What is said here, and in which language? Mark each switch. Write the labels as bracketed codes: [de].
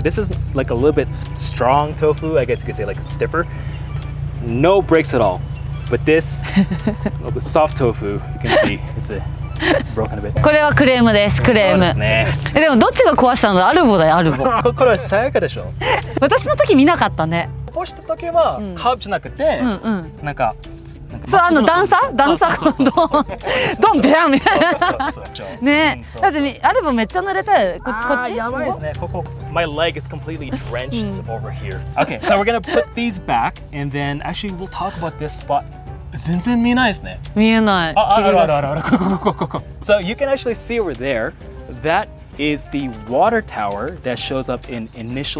[en] This is like a little bit strong tofu, I guess you could say, like stiffer. No breaks at all. But this soft tofu, you can see, it's broken a bit. [ja] これはクレームです、クレーム。そうですね。え、でもどっちが壊したの？アルボだよ、アルボ。これはさやかでしょ。私の時見なかったね。起こした時はカーブじゃなくて、うんうん、なんか、そう、あの段差、段差のドンドンビャンみたいな。ね、だってアルボめっちゃ濡れたよ、こっちこっち。やばいですね、ここ。 [en] My leg is completely drenched over here. Okay, so we're gonna put these back, and then actually we'll talk about this spot. [ja] 全然見えないですね。見えない。あ、ここ。 [en] So you can actually see over there, that is the water tower that shows up in initial